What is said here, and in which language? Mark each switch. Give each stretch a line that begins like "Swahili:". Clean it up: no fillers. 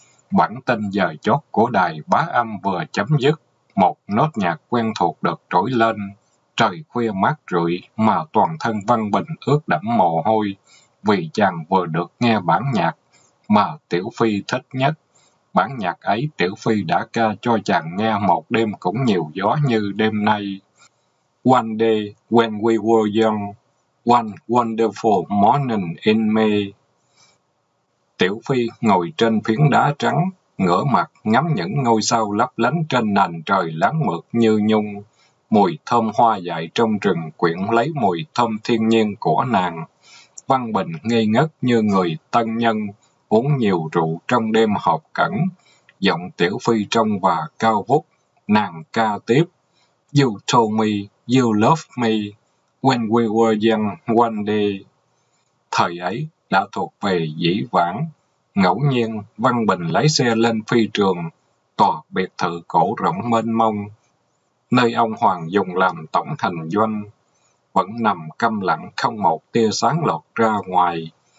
Vietnamese: Bản tin giờ chót của đài Bá Âm vừa chấm dứt, một nốt nhạc quen thuộc được trỗi lên. Trời khuya mát rượi mà toàn thân Văn Bình ướt đẫm mồ hôi vì chàng vừa được nghe bản nhạc mà Tiểu Phi thích nhất. Bản nhạc ấy Tiểu Phi đã ca cho chàng nghe một đêm cũng nhiều gió như đêm nay.
English: One day when we were young, one wonderful morning in May.
Vietnamese: Tiểu Phi ngồi trên phiến đá trắng, ngửa mặt ngắm những ngôi sao lấp lánh trên nền trời láng mượt như nhung. Mùi thơm hoa dại trong rừng quyện lấy mùi thơm thiên nhiên của nàng. Văn Bình ngây ngất như người tân nhân, uống nhiều rượu trong đêm họp cẩn. Giọng Tiểu Phi trong và cao vút, nàng ca tiếp.
English: You told me you loved me when we were young one day.
Vietnamese: Thời ấy đã thuộc về dĩ vãng. Ngẫu nhiên, Văn Bình lái xe lên phi trường, tòa biệt thự cổ rộng mênh mông, nơi ông Hoàng dùng làm tổng thành doanh, vẫn nằm câm lặng không một tia sáng lọt ra ngoài.